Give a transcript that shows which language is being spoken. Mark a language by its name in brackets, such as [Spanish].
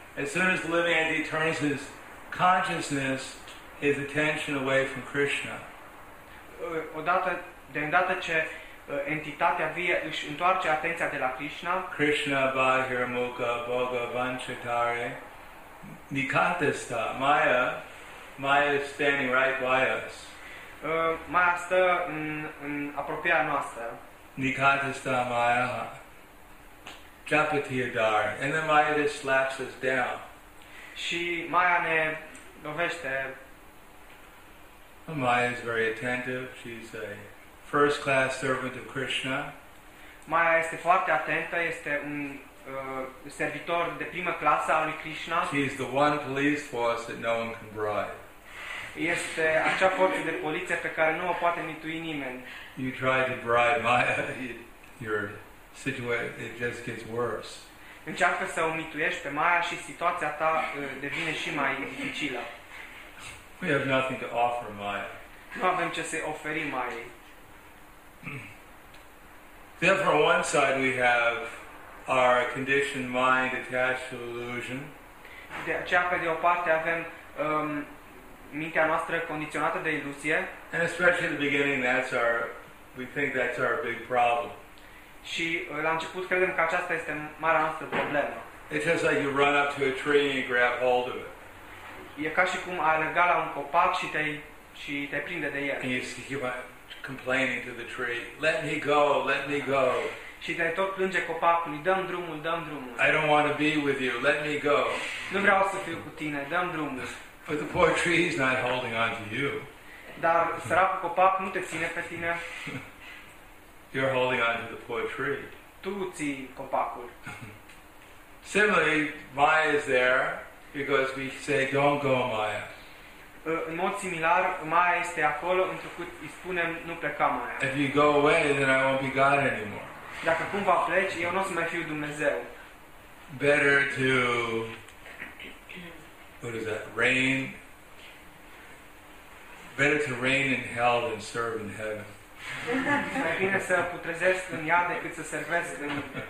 [English] As soon as the living entity turns his consciousness, his attention away from Krishna. [Romanian] Odată, de îndată ce entitatea vie își întoarce atenția de la Krishna. [Bangla] Krishna Vahira Mukha Bhoga Vanchitare. Nikantastha, [English] Maya is standing right by us. [Romanian] Maya stă în apropiarea noastră. [Bangla] Nikantastha Maya. Japatiyadare, [English] and then Maya just slaps us down. [Romanian] Și Maya ne lovește. [English] Maya is very attentive. She's a first class servant of Krishna. [Romanian] Maya este foarte atentă, este un servitor de primă clasă al lui Krishna. [English] She is the one police force that no one can bribe. [Romanian] Este acea forță de poliție pe care nu o poate mitui nimeni. [English] You try to bribe Maya, you're situation, it just gets worse. [Romanian] Încearcă să omituiești pe Maya și situația ta devine și mai dificilă. [English] We have nothing to offer Maya. [Romanian] Nu avem ce să oferim Maya. [English] Therefore, on one side we have our conditioned mind attached to illusion. [Romanian] De aceea, pe de o parte avem mintea noastră condiționată de iluzie. [English] And especially at the beginning, we think that's our big problem. [Romanian] Și la început credem că aceasta este marea noastră problemă. [English] It's just like you run up to a tree and you grab hold of it. [Romanian] E ca și cum ai alerga la un copac și te prinde de el. [English] And you keep complaining to the tree, let me go, let me go. [Romanian] Și te tot plânge copacului, dăm drumul, dăm drumul. [English] I don't want to be with you, let me go. [Romanian] Nu vreau să fiu cu tine, dăm drumul. [English] But the poor tree is not holding on to you. [Romanian] Dar săracul copac nu te ține pe tine. [English] You're holding on to the poor tree. [Romanian] Tu ții copacul. [English] Similarly, Maya is there because we say, "Don't go, Maya." [Romanian] În mod similar, Maya este acolo întrucât îi spunem, "Nu pleca, Maya." [English] If you go away, then I won't be God anymore. [Romanian] Dacă cumva pleci, eu nu o să mai fiu Dumnezeu. [English] Better to, what is that? Rain. Better to reign in hell than serve in heaven. [Romanian] Mai bine să putrezești în iad decât să servești în...